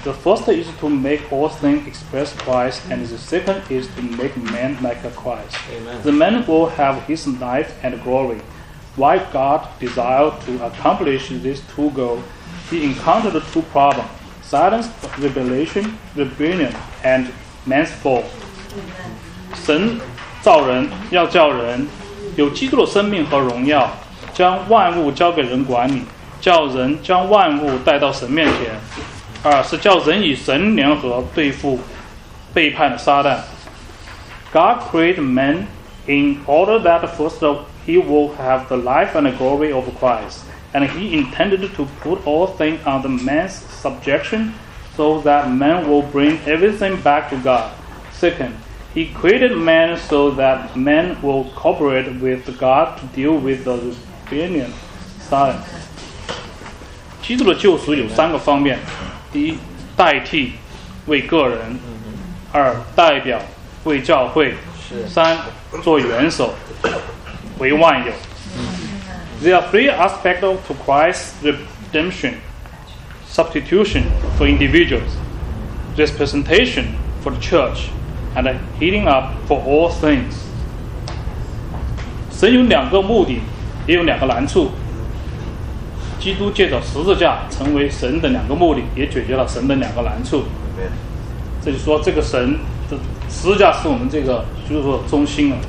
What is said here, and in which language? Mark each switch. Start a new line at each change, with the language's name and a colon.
English: The first is to make all things express Christ, and the second is to make man like Christ. Amen. The man will have his life and glory. Why God desired to accomplish these two goals, he encountered two problems: Satan's rebellion, and man's fall.
Chinese: 神造人，要叫人有基督的生命和荣耀，将万物交给人管理，叫人将万物带到神面前。二是叫人与神联合对付背叛的撒旦。
English: God created man in order that first he will have the life and the glory of Christ, and he intended to put all things under man's subjection so that man will bring everything back to God. Second,He created man so that man will cooperate with God to deal with the rebellion. Sorry.
Chinese: 基督的救赎有三个方面：第一，代替为个人；二，代表为教会；三，做元首为万有。
English: There are three aspects to Christ's redemption: substitution for individuals, representation for the church. And healing up for all things.
Chinese: 神有两个目的，也有两个难处。基督借着十字架成为神的两个目的，也解决了神的两个难处。
English: Amen.
Chinese: 这就说这个神的十字架是我们这个就是说中心了。